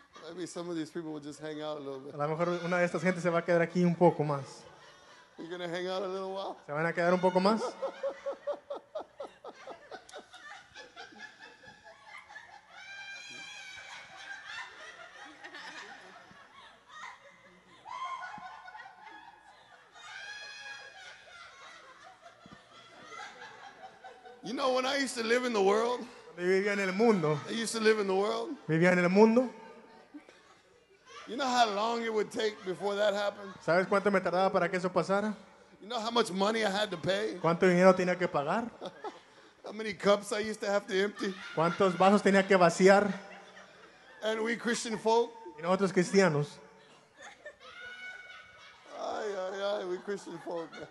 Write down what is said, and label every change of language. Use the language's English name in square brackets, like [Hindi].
[English] Maybe some of these people will just hang out a little bit. [Spanish] A lo mejor una de estas gente se va a quedar aquí un poco más. [English] You're gonna hang out a little while. [Spanish] Se van a quedar un poco más. [English] You know, when I used to live in the world, [Spanish] vivía en el mundo. [English] I used to live in the world. [Spanish] Vivía en el mundo. [English] You know how long it would take before that happened? [Spanish] ¿Sabes cuánto me tardaba para que eso pasara? [English] You know how much money I had to pay? [Spanish] ¿Cuánto dinero tenía que pagar? [English] How many cups I used to have to empty? [Spanish] ¿Cuántos vasos tenía que vaciar? [English] And we Christian folk? [Spanish] ¿Y nosotros cristianos? [English] Ay, ay, ay, we Christian folk.